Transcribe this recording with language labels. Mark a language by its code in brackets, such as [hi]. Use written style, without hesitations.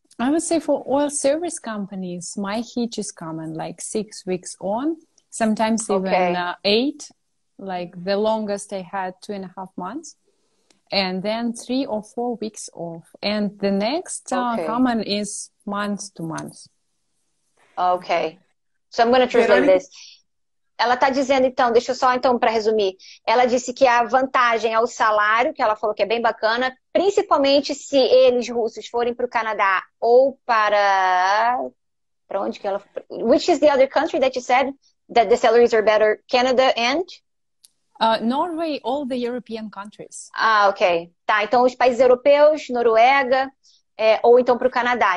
[en] I would say for oil service companies, my hitch is common, like 6 weeks on, sometimes even eight, like the longest I had 2.5 months. And then 3 or 4 weeks off. And the next common is month to month. Okay. So I'm going to translate this. [pt] Ela está dizendo, então, deixa eu só, então, para resumir. Ela disse que a vantagem é o salário, que ela falou que é bem bacana, principalmente se eles, russos, forem para o Canadá ou para... Para onde que ela... [en] Which is the other country that you said that the salaries are better? Canada and... Norway, all the European countries. Ah, ok. [pt] Tá, então os países europeus, Noruega, é, ou então para o Canadá.